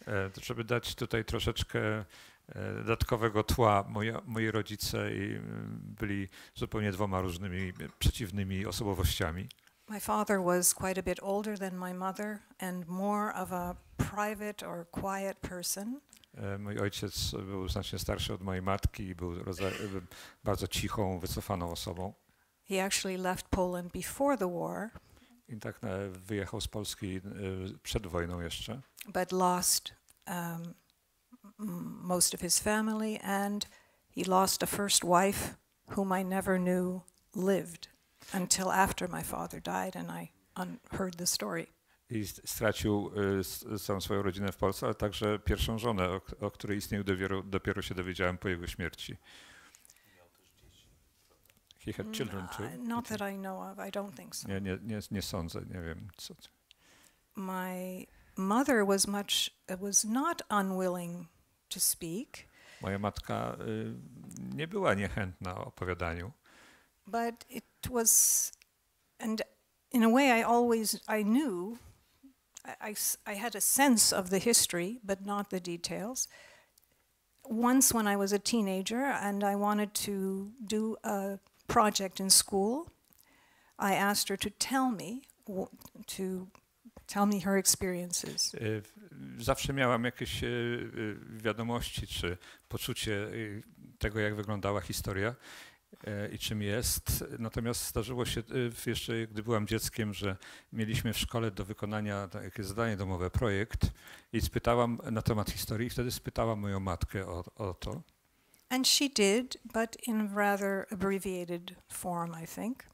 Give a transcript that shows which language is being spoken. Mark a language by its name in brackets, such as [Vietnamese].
[Polish] To żeby dać tutaj troszeczkę dodatkowego tła, moi rodzice byli zupełnie dwoma różnymi, przeciwnymi osobowościami. [English] My father was quite a bit older than my mother and more of a private or quiet person. [Polish] Mój ojciec był znacznie starszy od mojej matki i był bardzo cichą, wycofaną osobą. [English] He actually left Poland before the war. [Polish] I tak wyjechał z Polski przed wojną jeszcze. [English] But lost most of his family and he lost a first wife whom I never knew lived until after my father died and I heard the story. [Polish] I stracił całą swoją rodzinę w Polsce, ale także pierwszą żonę, o której istnieniu dopiero się dowiedziałem po jego śmierci. [English] He had children too. Not that I know of. I don't think so. [Polish] Nie sądzę, nie wiem co. [English] My mother was not unwilling to speak. [Polish] Moja matka nie była niechętna opowiadaniu. [English] But it was, and in a way I knew. I had a sense of the history, but not the details. Once when I was a teenager and I wanted to do a project in school, I asked her to tell me her experiences. [Polish] Zawsze miałam jakieś wiadomości czy poczucie tego, jak wyglądała historia i czym jest. Natomiast zdarzyło się jeszcze, gdy byłam dzieckiem, że mieliśmy w szkole do wykonania jakieś zadanie domowe, projekt i spytałam na temat historii i wtedy spytałam moją matkę o to. [English] And she did, but in rather abbreviated form, I think.